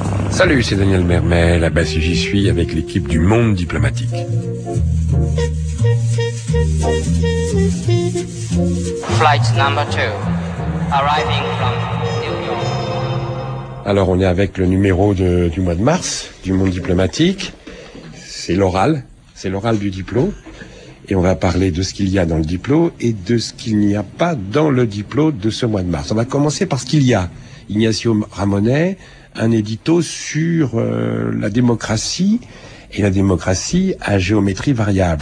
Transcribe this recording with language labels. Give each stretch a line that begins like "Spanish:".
French: Salut, c'est Daniel Mermet, là-bas si j'y suis avec l'équipe du Monde Diplomatique.
English: Flight number 2, arriving from New York.
French: Alors, on est avec le numéro du mois de mars, du monde diplomatique. C'est l'oral du diplôme. Et on va parler de ce qu'il y a dans le diplôme et de ce qu'il n'y a pas dans le diplôme de ce mois de mars. On va commencer par ce qu'il y a. Ignacio Ramonet, un édito sur la démocratie et la démocratie à géométrie variable.